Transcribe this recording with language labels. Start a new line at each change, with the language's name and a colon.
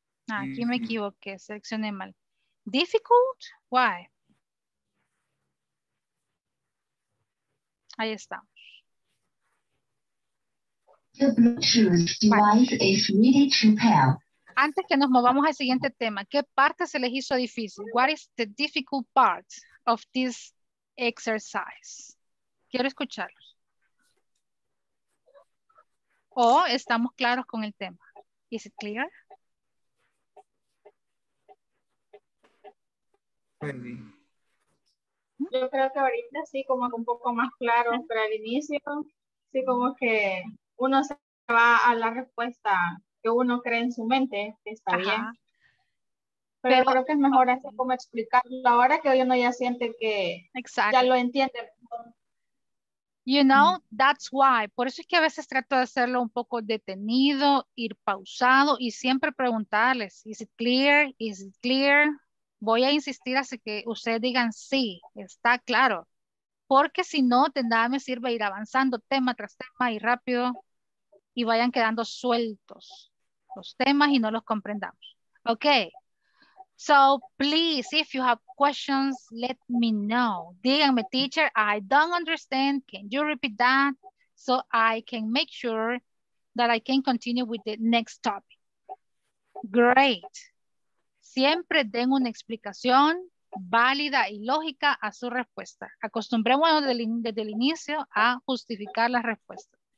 Spanish: Ah, aquí me equivoqué, seleccioné mal.
English: Difficult? Why?
Spanish: Ahí estamos. Antes que nos movamos al siguiente tema, ¿qué parte se les hizo difícil?
English: What is the difficult part of this exercise?
Spanish: Quiero escucharlos. ¿O estamos claros con el tema?
English: Is it clear?
Spanish: Yo creo que ahorita sí, como un poco más claro, pero al inicio, sí, como que uno se va a la respuesta que uno cree en su mente, que está ajá. Bien. Pero creo que es mejor así como explicarlo ahora que uno ya siente que exacto. Ya lo entiende.
English: You know, that's why.
Spanish: Por eso es que a veces trato de hacerlo un poco detenido, ir pausado y siempre preguntarles,
English: is it clear? Is it clear?
Spanish: Voy a insistir hasta que ustedes digan sí, está claro. Porque si no, de nada me sirve ir avanzando tema tras tema y rápido y vayan quedando sueltos los temas y no los comprendamos.
English: Ok. So, please, if you have questions, let me know.
Spanish: Díganme,
English: teacher, I don't understand. Can you repeat that? So I can make sure that I can continue with the next topic. Great.
Spanish: Siempre den una explicación válida y lógica a su respuesta. Acostumbrémonos desde el inicio a justificar la respuesta.